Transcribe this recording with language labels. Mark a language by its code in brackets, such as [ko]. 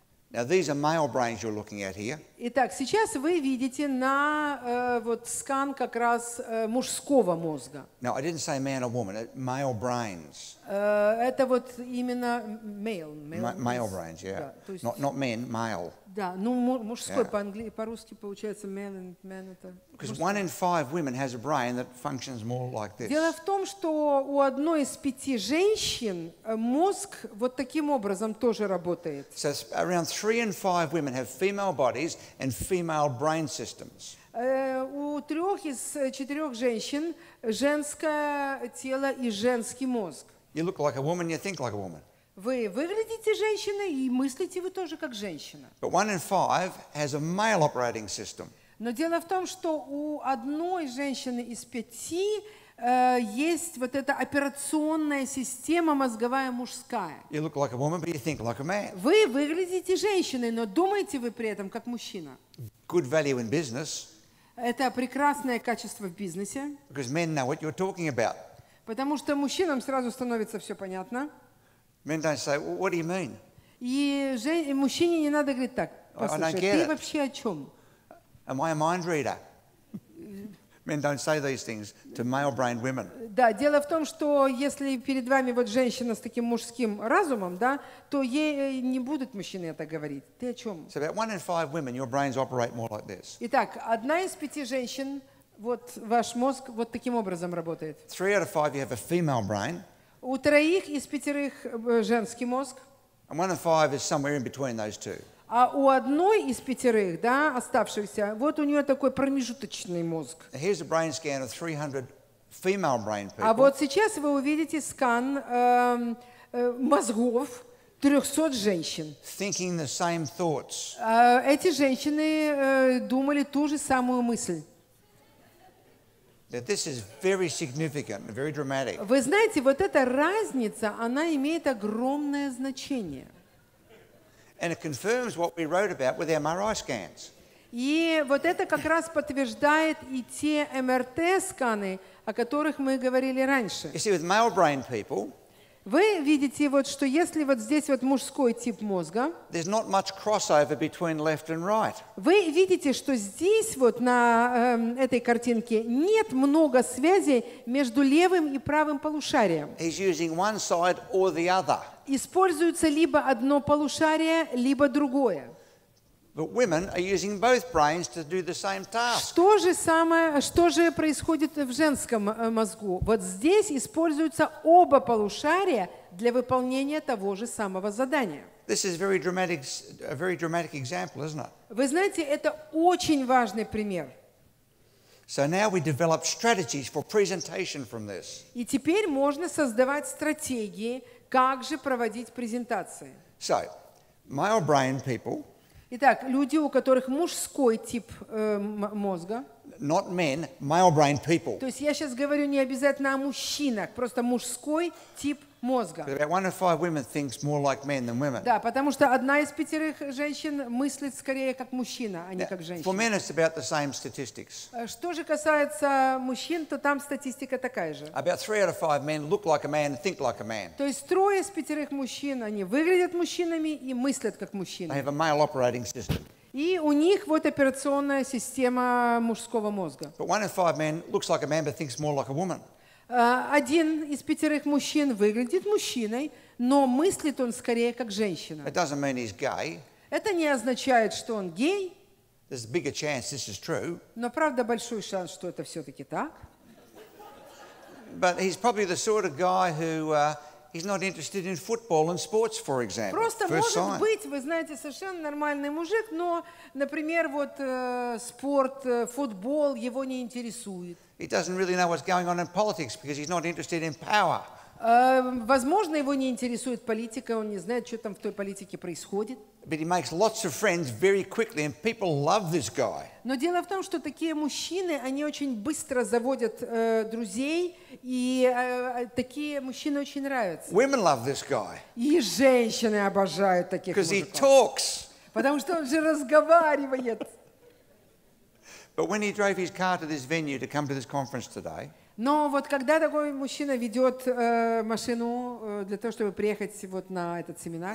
[en] Now these are male brains you're looking at here. [ru] Итак, сейчас вы видите на вот скан как раз мужского мозга. [en] Now I didn't say man or woman, male brains. [ru] Это вот именно male. [en] Male brains, yeah. Not men, male. [ru] Да, ну мужской по-русски получается [en] male and man [ru] это. [en] Because one in five women has a brain that functions more like this. [ru] Дело в том, что у одной из пяти женщин мозг вот таким образом тоже работает. [en] So around 3 in 5 women have female bodies and female brain systems. [ru] У трех из четырех женщин женское тело и женский мозг. [en] You look like a woman, you think like a woman. [ru] Вы выглядите женщиной и мыслите вы тоже как женщина. [en] But 1 in 5 has a male operating system. [ru] Но дело в том, что у одной женщины из пяти есть вот эта операционная система мозговая мужская. [en] You look like a woman, but you think like a man. [ru] Вы выглядите женщиной, но думаете вы при этом как мужчина. [en] Good value in business. [ru] Это прекрасное качество в бизнесе. [en] Because men know what you're talking about. [ru] Потому что мужчинам сразу становится все понятно. [en] Men don't say, well, what do you mean? [ru] И мужчине не надо говорить так. Послушай, ты вообще о чем? [en] Am I a mind reader? Men don't say these things to male-brained women. [ru] Да, дело в том, что если перед вами вот женщина с таким мужским разумом, да, то ей не будут мужчины это говорить. Ты о чем? [en] So about one in five women, your brains operate more like this. [ru] Итак, одна из пяти женщин, вот ваш мозг вот таким образом работает. [en] Three out of five, you have a female brain. [ru] У троих из пятерых женский мозг. [en] And one in five is somewhere in between those two. [ru] А у одной из пятерых, да, оставшихся, вот у нее такой промежуточный мозг. [en] Here's a brain scan of 300 female brain people. [ru] А вот сейчас вы увидите скан мозгов 300 женщин. [en] Thinking the same thoughts. [ru] Эти женщины думали ту же самую мысль. [en] That this is very significant, very dramatic. [ru] Вы знаете, вот эта разница, она имеет огромное значение. [en] And it confirms what we wrote about with MRI scans. [ru] И вот это как раз подтверждает и те МРТ-сканы, о которых мы говорили раньше. [en] You see, with male brain people, [ru] вы видите, вот, что если вот здесь вот мужской тип мозга, [en] there's not much crossover between left and right. [ru] Вы видите, что здесь вот на этой картинке нет много связей между левым и правым полушарием. [en] He's using one side or the other. [ru] Используется либо одно полушарие, либо другое. [en] But women are using both brains to do the same task. [ru] Что же происходит в женском мозгу? Вот здесь используются оба полушария для выполнения того же самого задания. [en] This is a very dramatic example, isn't it? [ru] Вы знаете, это очень важный пример. [en] So now we develop strategies for presentation from this. [ru] И теперь можно создавать стратегии, как же проводить презентации. [en] So, male brain people. [ru] Итак, люди, у которых мужской тип мозга. [en] Not men, male brain people. [ru] То есть я сейчас говорю не обязательно о мужчинах, просто мужской тип мозга. [en] About one in five women thinks more like men than women. [ru] Да, потому что одна из пятерых женщин мыслит скорее как мужчина, а не как женщина. [en] For men, it's about the same statistics. [ru] Что же касается мужчин, то там статистика такая же. [en] About three out of five men look like a man and think like a man. [ru] То есть трое из пятерых мужчин, они выглядят мужчинами и мыслят как мужчины. [en] They have a male operating system. [ru] И у них вот операционная система мужского мозга. [en] But one in five men looks like a man but thinks more like a woman. [ru] Один из пятерых мужчин выглядит мужчиной, но мыслит он скорее как женщина. [en] It doesn't mean he's gay. [ru] Это не означает, что он гей. [en] There's a bigger chance this is true. [ru] Но правда большой шанс, что это все-таки так. [en] But he's probably the sort of guy who he's not interested in football and sports, for example. [ru] Просто может быть, вы знаете, совершенно нормальный мужик, но, например, вот спорт, футбол его не интересует. [en] He doesn't really know what's going on in politics because he's not interested in power. [ru] Возможно, его не интересует политика, он не знает, что там в той политике происходит. [en] But he makes lots of friends very quickly, and people love this guy. [ru] Но дело в том, что такие мужчины, они очень быстро заводят друзей, и такие мужчины очень нравятся. [en] Women love this guy. [ru] И женщины обожают таких мужиков. [en] Because he talks. [ru] Потому что он же разговаривает. [en] But when he drove his car to this venue to come to this conference today. [ru] Но вот когда такой мужчина ведет машину для того, чтобы приехать вот на этот семинар.